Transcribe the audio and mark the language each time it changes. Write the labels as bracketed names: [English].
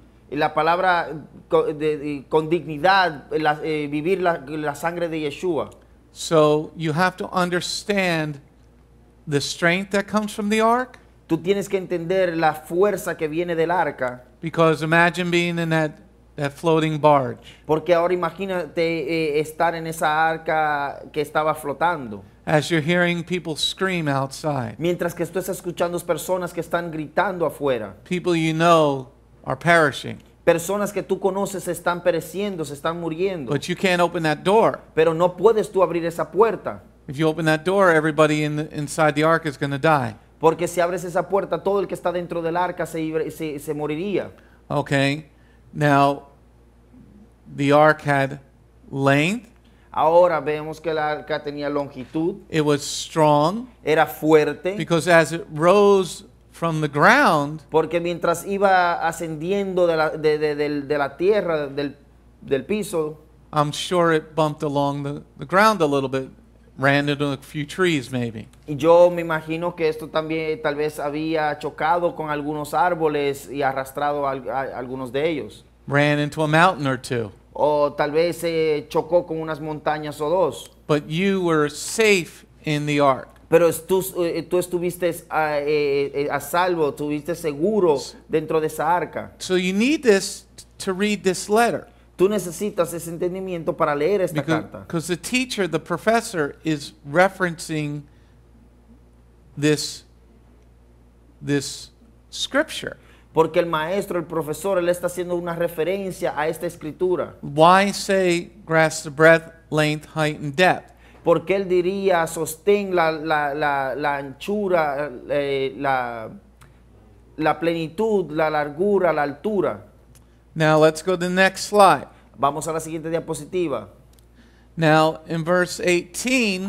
[Spanish] La palabra con dignidad vivir la sangre de Yeshua. [English] So you have to understand the strength that comes from the ark. [Spanish] Tú tienes que entender la fuerza que viene del arca. [English] Because imagine being in that floating barge. [Spanish] Porque ahora imagínate estar en esa arca que estaba flotando. [English] As you're hearing people scream outside. [Spanish] Mientras que estás escuchando personas que están gritando afuera. [English] People you know are perishing. [Spanish] Personas que tú conoces están pereciendo, se están muriendo. [English] But you can't open that door. [Spanish] Pero no puedes tú abrir esa puerta. [English] If you open that door, everybody inside the ark is going to die. [Spanish] Porque si abres esa puerta, todo el que está dentro del arca se moriría. [English] Okay. Now, the ark had length. [Spanish] Ahora vemos que la arca tenía longitud. [English] It was strong. [Spanish] Era fuerte. [English] Because as it rose from the ground, [Spanish] porque mientras iba ascendiendo de la tierra del piso, [English] I'm sure it bumped along the ground a little bit, ran into a few trees maybe. [Spanish] Y yo me imagino que esto también tal vez había chocado con algunos árboles y arrastrado algunos de ellos. [English] Ran into a mountain or two. [Spanish] O tal vez se chocó con unas montañas o dos. [English] But you were safe in the ark. [Spanish] Pero tú estuviste a salvo, estuviste seguro dentro de esa arca. [English] So you need this to read this letter. [Spanish] Tú necesitas ese entendimiento para leer esta carta. [English] Because the teacher, the professor, is referencing this scripture. [Spanish] Porque el maestro, el profesor, él está haciendo una referencia a esta escritura. [English] Why say grasp the breadth, length, height, and depth? [Spanish] Porque él diría sostén la anchura, la plenitud, la largura, la altura. [English] Now let's go to the next slide. [Spanish] Vamos a la siguiente diapositiva. [English] Now in verse 18,